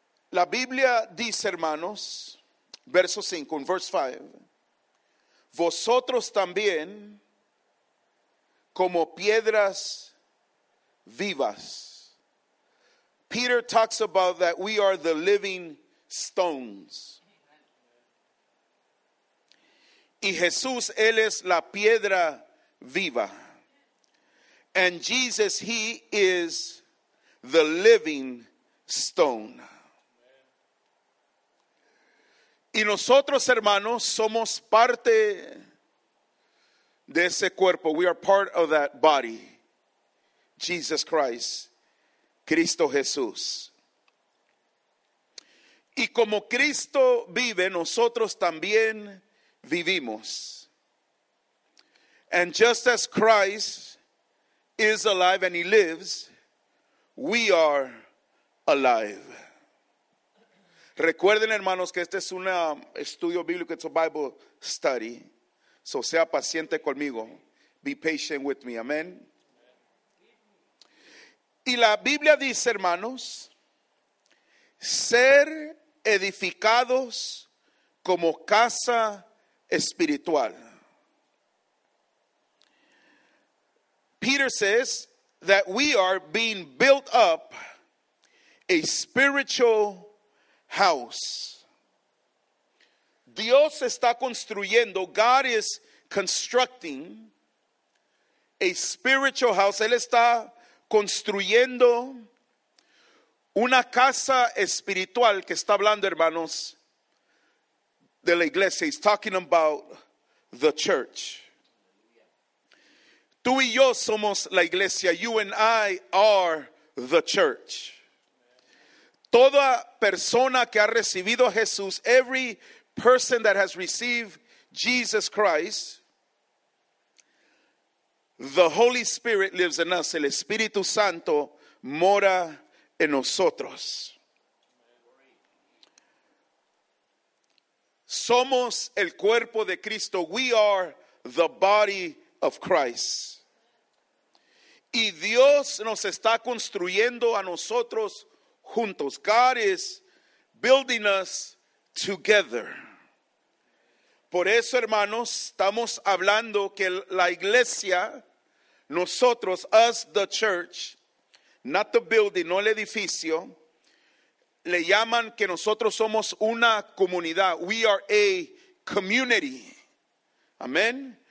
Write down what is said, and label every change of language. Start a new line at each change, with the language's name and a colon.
Spanish: La Biblia dice, hermanos, verso 5,
English: verse 5,
Spanish: vosotros también como piedras vivas.
English: Peter talks about that we are the living stones.
Spanish: Y Jesús, él es la piedra viva.
English: And Jesus, he is the living stone.
Spanish: Y nosotros, hermanos, somos parte de ese cuerpo.
English: We are part of that body. Jesus Christ.
Spanish: Cristo Jesús. Y como Cristo vive, nosotros también vivimos.
English: And just as Christ is alive and he lives, we are alive.
Spanish: Recuerden, hermanos, que este es un estudio bíblico,
English: it's a Bible study.
Spanish: So sea paciente conmigo.
English: Be patient with me. Amen.
Spanish: Y la Biblia dice, hermanos, ser edificados como casa espiritual.
English: Peter says that we are being built up a spiritual house.
Spanish: Dios está construyendo,
English: God is constructing a spiritual house.
Spanish: Él está construyendo una casa espiritual, que está hablando, hermanos, de la iglesia.
English: He's talking about the church.
Spanish: Tú y yo somos la iglesia.
English: You and I are the church.
Spanish: Toda persona que ha recibido a Jesús,
English: every person that has received Jesus Christ, the Holy Spirit lives in us.
Spanish: El Espíritu Santo mora en nosotros. Somos el cuerpo de Cristo.
English: We are the body of Christ.
Spanish: Y Dios nos está construyendo a nosotros juntos.
English: God is building us together.
Spanish: Por eso, hermanos, estamos hablando que la iglesia, nosotros,
English: us, the church, not the building,
Spanish: no el edificio, le llaman que nosotros somos una comunidad.
English: We are a community. Amen.